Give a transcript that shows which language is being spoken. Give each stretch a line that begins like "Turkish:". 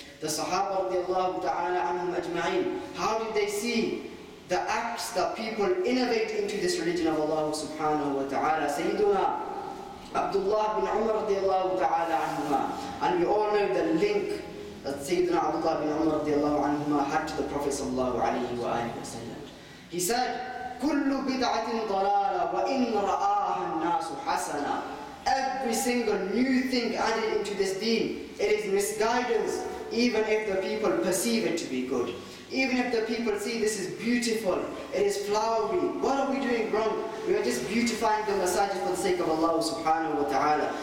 English: The Sahaba radiallahu ta'ala anhum ajma'in, how did they see the acts that people innovate into this religion of Allah subhanahu wa ta'ala? Sayyiduna Abdullah bin Umar radiallahu ta'ala anhuma, and we all know the link that Sayyiduna Abdullah bin Umar radiallahu anhuma had to the Prophet sallallahu alayhi wa sallam. He said,
Arabic: كُلُّ بِدْعَةٍ ضَلَالًا وَإِنَّ رَآهَا النَّاسُ حَسَنًا.
English: Every single new thing added into this deen, it is misguidance, even if the people perceive it to be good. Even if the people see this is beautiful, it is flowery, what are we doing wrong? We are just beautifying the masajid for the sake of Allah subhanahu wa ta'ala.